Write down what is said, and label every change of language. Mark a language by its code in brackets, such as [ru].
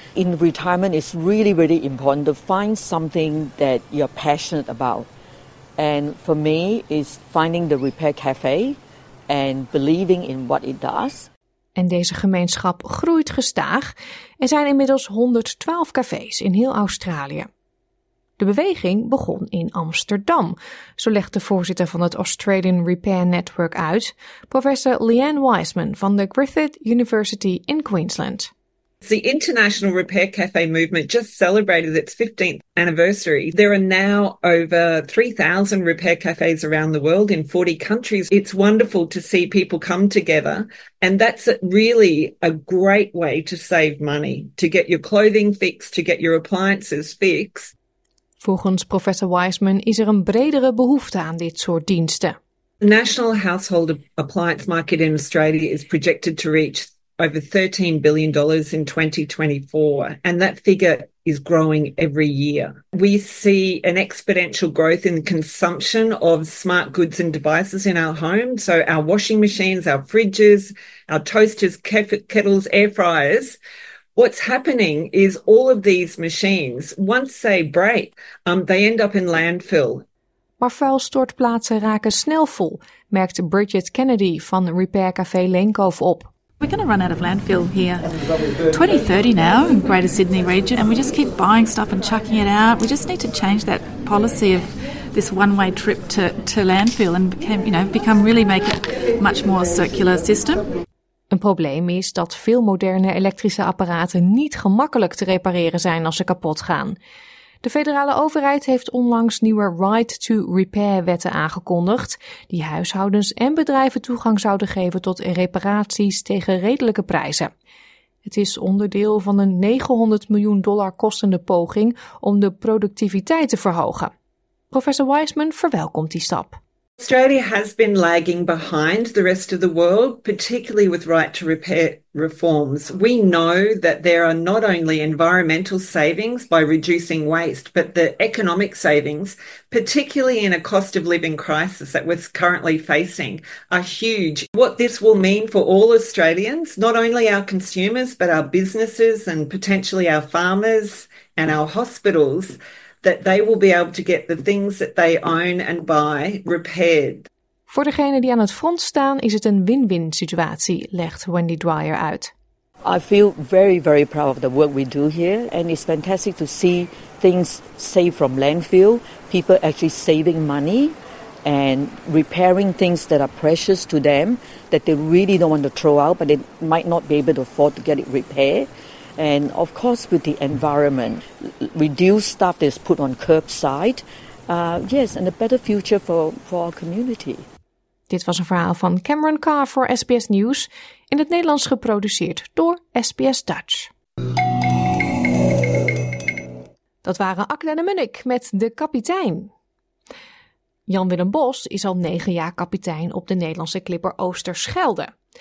[en] In retirement, it's really, really important to find something that you're passionate about. And for me, it's finding the repair cafe and believing in what it does. [nl] En deze gemeenschap groeit gestaag. Er zijn inmiddels 112 cafés in heel Australië. De beweging begon in Amsterdam, zo legt de voorzitter van het Australian Repair Network uit, professor Leanne Wiseman van de Griffith University in Queensland. [en] The International Repair Cafe movement just celebrated its 15th anniversary. There are now over 3,000 repair cafes around the world in 40 countries. It's wonderful to see people come together. And that's really a great way to save money, to get your clothing fixed, to get your appliances fixed. [nl] Volgens professor Wiseman is er een bredere behoefte aan dit soort diensten. [en] The national household appliance market in Australia is projected to reach over $13 billion in 2024, and that figure is growing every year. We see an exponential growth in the consumption of smart goods and devices in our home. So our washing machines, our fridges, our toasters, kettles, air fryers. What's happening is all of these machines, once they break, they end up in landfill. [nl] Maar vuilstortplaatsen raken snel vol, merkt Bridget Kennedy van Repair Café Lenkhof op. [en] We're going to run out of landfill here. 2030 now in Greater Sydney region, and we just keep buying stuff and chucking it out. We just need to change that policy of this one-way trip to landfill and become really make it much more circular system. [nl] Een probleem is dat veel moderne elektrische apparaten niet gemakkelijk te repareren zijn als ze kapot gaan. De federale overheid heeft onlangs nieuwe Right to Repair-wetten aangekondigd, die huishoudens en bedrijven toegang zouden geven tot reparaties tegen redelijke prijzen. Het is onderdeel van een $900 miljoen kostende poging om de productiviteit te verhogen. Professor Wiseman verwelkomt die stap. [en] Australia has been lagging behind the rest of the world, particularly with right to repair reforms. We know that there are not only environmental savings by reducing waste, but the economic savings, particularly in a cost of living crisis that we're currently facing, are huge. What this will mean for all Australians, not only our consumers, but our businesses and potentially our farmers and our hospitals, that they will be able to get the things that they own and buy repaired. [nl] Voor degenen die aan het front staan, is het een win-win situatie, legt Wendy Dwyer uit. [en] I feel very, very proud of the work we do here, and it's fantastic to see things saved from landfill, people actually saving money and repairing things that are precious to them that they really don't want to throw out, but they might not be able to afford to get it repaired. And of course, with the environment, reduce stuff that's put on curbside. And a better future for our community. [nl] Dit was een verhaal van Cameron Carr voor SBS News. In het Nederlands geproduceerd door SBS Dutch. Dat waren Akne de Munnik met de kapitein. Jan-Willem Bos is al 9 jaar kapitein op de Nederlandse clipper Oosterschelde.